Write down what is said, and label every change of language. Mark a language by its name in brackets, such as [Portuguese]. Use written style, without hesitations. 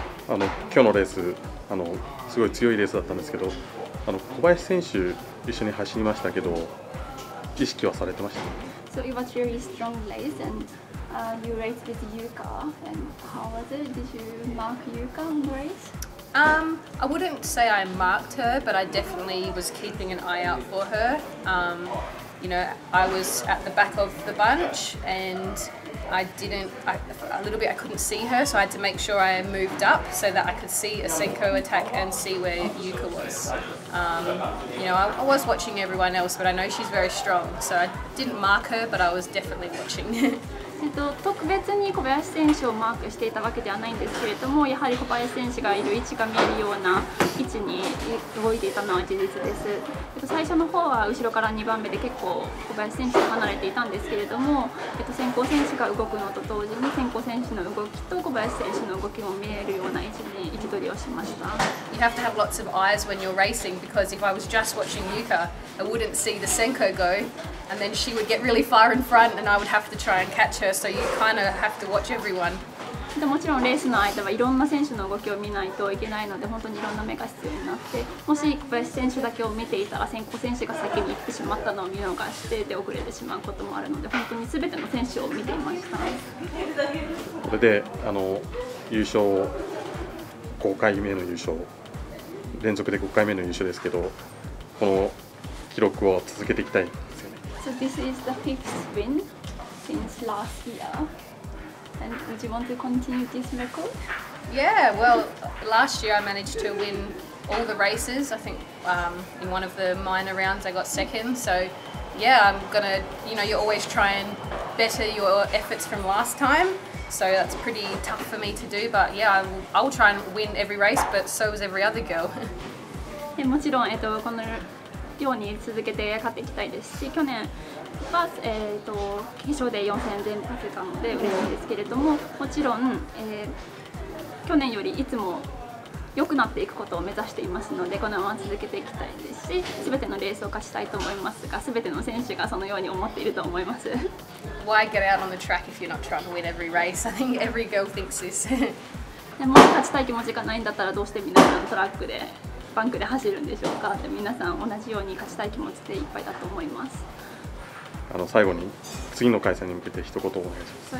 [Japanese] 今日のレース、すごい強いレースだったんですけど、小林選手一緒に走りましたけど、意識はされてました。 [English] So it was really strong race and you raced with Yuka and how was it? Did you mark Yuka on the race? I wouldn't say I marked her, but I definitely was keeping an eye out for her. You know, I was at the back of the bunch and I couldn't see her, so I had to make sure I moved up so that I could see a Senko attack and see where Yuka was. You know, I was watching everyone else, but I know she's very strong, so I didn't mark her, but I was definitely watching. [Japanese] 特別に小林選手をマークしていたわけではないんですけれども、やはり小林選手がいる位置が見えるような位置に動いていたのは事実です。最初の方は後ろから2番目で結構小林選手と離れていたんですけれども、先行選手が動くのと同時に先行選手の動きと小林選手の動きも見えるような位置に位置取りをしました。 [English] You have to have lots of eyes when you're racing, because if I was just watching Yuka, I wouldn't see the Senko go, and then she would get really far in front and I would have to try and catch her, so you kind of have to watch everyone. [Japanese] でもちろんレースの間はいろんな選手の動きを見ないといけないので、本当にいろんな目が必要になって、もし小林選手だけを見ていたら先行選手が先に行ってしまったのを見逃して出遅れてしまうこともあるので、本当に全ての選手を見ていました。これで優勝、5回目の優勝、連続で5回目の優勝ですけど、この記録を続けていきたい。 [English] So this is the fifth win since last year. And would you want to continue this record? Yeah, well, last year I managed to win all the races. I think in one of the minor rounds I got second. So yeah, I'm gonna, you know, you always try and better your efforts from last time. So that's pretty tough for me to do. But yeah, I'll try and win every race, but so is every other girl. [Japanese] もちろん、このように続けて勝っていきたいですし、去年は、決勝で4戦全部勝てたので嬉しいんですけれども、もちろん、去年よりいつも良くなっていくことを目指していますので、このまま続けていきたいですし、全てのレースを勝ちたいと思いますが、全ての選手がそのように思っていると思います。 [English] Why get out on the track if you're not trying to win every race? I think every girl thinks this. [Japanese] でも勝ちたい気持ちがないんだったら、どうして皆さんトラックでバンクで走るんでしょうかって、皆さん同じように勝ちたい気持ちでいっぱいだと思います。最後に次の開催に向けて一言お願いします。